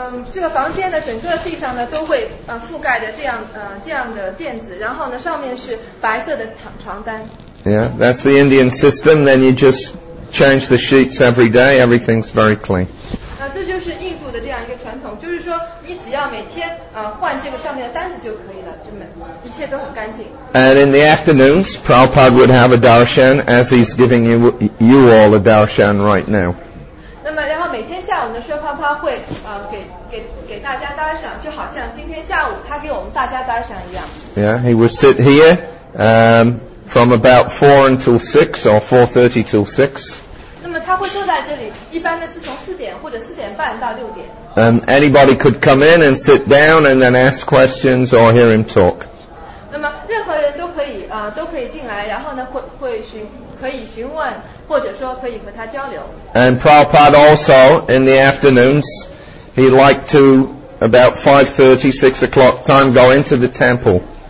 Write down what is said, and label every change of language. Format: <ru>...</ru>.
<zh>这个房间的整个地上呢都会覆盖着这样的垫子，然后呢上面是白色的床单。</zh> <en>Yeah, that's the Indian system. Then you just change the sheets every day. Everything's very clean.</en> <zh>这就是印度的这样一个传统，就是说你只要每天换这个上面的单子就可以了，一切都很干净。</zh> <en>And in the afternoons, Prabhupada would have a darshan as he's giving you all a darshan right now.</en> <zh>那么，然后每天下午呢，释迦牟尼会给大家 darshan， 就好像今天下午他给我们大家 darshan 一样。</zh> <en>Yeah, he would sit here. From about 4 until 6 or 4:30 till 6.</en> <zh>那么他会坐在这里，一般的是从4点或者4:30到6点。</zh> <en>Anybody could come in and sit down and then ask questions or hear him talk.</en> <zh>那么任何人都可以都可以进来，然后呢可以询问或者说可以和他交流。</zh> <en>And Prabhupada also in the afternoons, he liked to about 5:30, 6 o'clock time go into the temple.</en>